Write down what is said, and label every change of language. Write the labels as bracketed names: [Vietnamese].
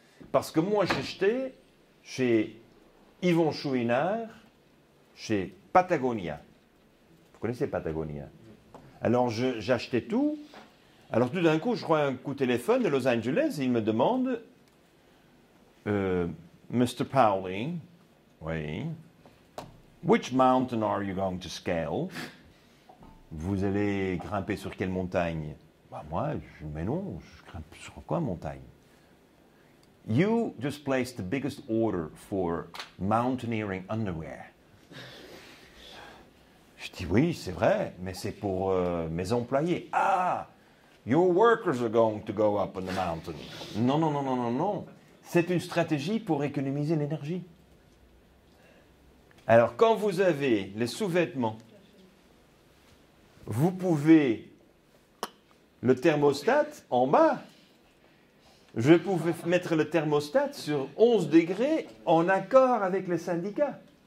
[French] Parce que moi, j'achetais chez Yvon Chouinard, chez Patagonia. Vous connaissez Patagonia? Alors, j'achetais tout. Alors, tout d'un coup, je reçois un coup de téléphone de Los Angeles. Il me demande, Mr. [English] Powley, oui, which mountain are you going to scale? [French] Vous allez grimper sur quelle montagne? Bah, moi, je dis, mais non, je grimpe sur quoi montagne? [English] You just placed the biggest order for mountaineering underwear. [French] Je dis, oui, c'est vrai, mais c'est pour mes employés. Ah! [English] Your workers are going to go up on the mountain. [French] Non, non, non, non, non, non. C'est une stratégie pour économiser l'énergie. Alors, quand vous avez les sous-vêtements, vous pouvez le thermostat en bas. Je pouvais mettre le thermostat sur 11 degrés en accord avec les syndicats.